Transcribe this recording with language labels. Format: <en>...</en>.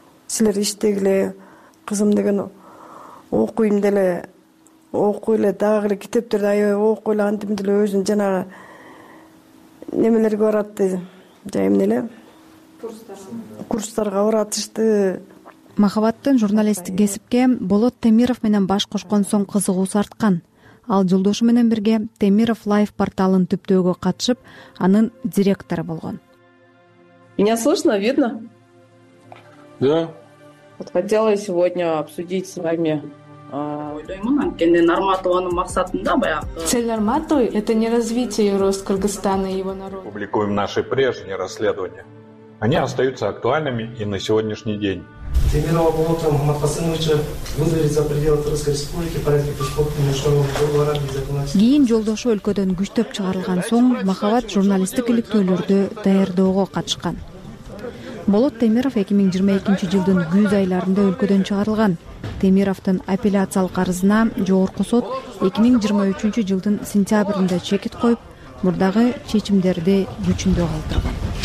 <ky>Силер иштегиле кызым деген окуйм деле окуй эле дагы эле китептерди аябай окуй эле антип деле өзүн жанагы немелерге баратты жай эмне эле курстарга баратышты. Махабаттын журналисттик кесипке Болот Темиров менен баш кошкон соң кызыгуусу арткан. Ал жолдошу менен бирге Темиров Лайф порталын түптөөгө катышып, анын директору болгон.</ky> <ru>Меня слышно, видно? Да. Вот хотела я сегодня обсудить с вами.</ru> <ky>Ойлоймун анткени Нарматованын максатында баягы</ky> <ru>цель Нарматовой это не развитие и рост Кыргызстана и его народа. Публикуем наши прежние расследования. Они остаются актуальными и на сегодняшний день. Темирова Болота Мухаммад Касымовича вызвали за пределы Кыргызской республики по разным поступкам международного договора и законодательства.</ru> <ky>Кийин жолдошу өлкөдөн күчтөп чыгарылган соң Махабат журналисттик иликтөөлөрдү даярдоого катышкан. Болот Темиров 2022 жылдын күз айларында өлкөдөн чыгарылган. Темировтун апелляциялык арызына Жогорку сот 2023 жылдын сентябрында чекит коюп, мурдагы чечимдерди күчүндө калтырган.</ky>